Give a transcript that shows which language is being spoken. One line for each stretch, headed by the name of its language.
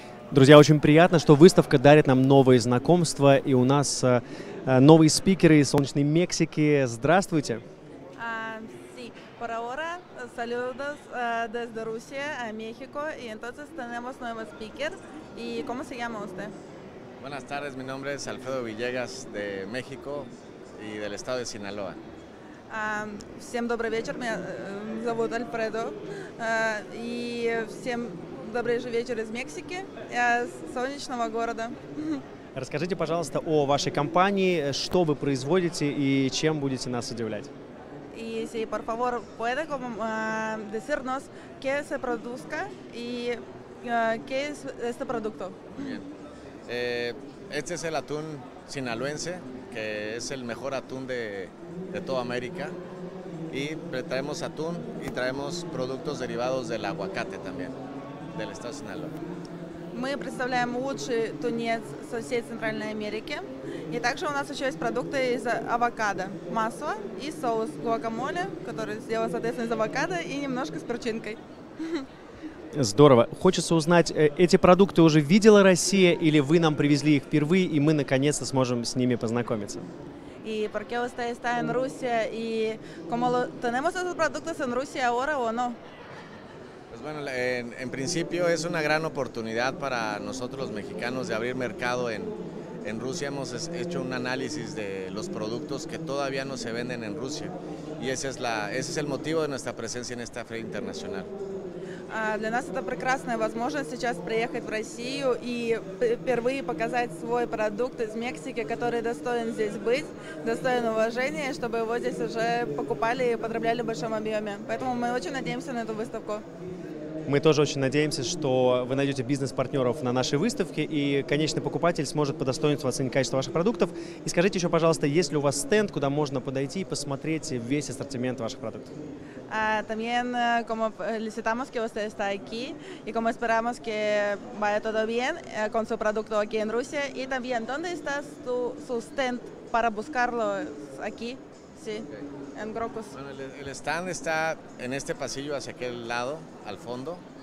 Russian: Друзья, очень приятно, что выставка дарит нам новые знакомства, и у нас новые спикеры из солнечной Мексики. Здравствуйте!
Spanish: Sí, por ahora, saludos desde Rusia a México, y entonces tenemos nuevos speakers. ¿Y cómo se llama usted? Buenas tardes, mi nombre es Alfredo Villegas, de México y del estado de Sinaloa.
Russian: Всем добрый вечер, меня зовут Альфредо, и всем добрый же вечер из Мексики, я из солнечного города. Расскажите, пожалуйста, о вашей компании, что вы производите и чем будете нас удивлять?
Spanish: Y si por favor puede decirnos qué se produzca y qué es este producto. Muy bien. Este es el atún sinaloense, que es el mejor atún de toda América. Y traemos atún y traemos productos derivados del aguacate también, del estado de Sinaloa.
Russian: Мы представляем лучший тунец со всей Центральной Америки. И также у нас еще есть продукты из авокадо, масло и соус гуакамоле, который сделан, соответственно, из авокадо и немножко с перчинкой. Здорово. Хочется узнать, эти продукты уже видела Россия или вы нам привезли их впервые, и мы наконец-то сможем с ними познакомиться?
Spanish: Y por qué usted está en Rusia y cómo lo tenemos esos productos en Rusia ahora o no? Pues bueno, en principio es una gran oportunidad para nosotros los mexicanos de abrir mercado en Rusia. Hemos hecho un análisis de los productos que todavía no se venden en Rusia y ese es el motivo de nuestra presencia en esta feria internacional.
Russian: Для нас это прекрасная возможность сейчас приехать в Россию и впервые показать свой продукт из Мексики, который достоин здесь быть, достоин уважения, чтобы его здесь уже покупали и потребляли в большом объеме. Поэтому мы очень надеемся на эту выставку. Мы тоже очень надеемся, что вы найдете бизнес-партнеров на нашей выставке, и конечный покупатель сможет по достоинству оценить качество ваших продуктов. И скажите еще, пожалуйста, есть ли у вас стенд, куда можно подойти и посмотреть весь ассортимент ваших продуктов?
Spanish: También como felicitamos que usted está aquí y como esperamos que vaya todo bien con su producto aquí en Rusia. Y también, ¿dónde está su stand para buscarlo aquí? Sí, okay. En Grocos. Bueno, el stand está en este pasillo hacia aquel lado, al fondo.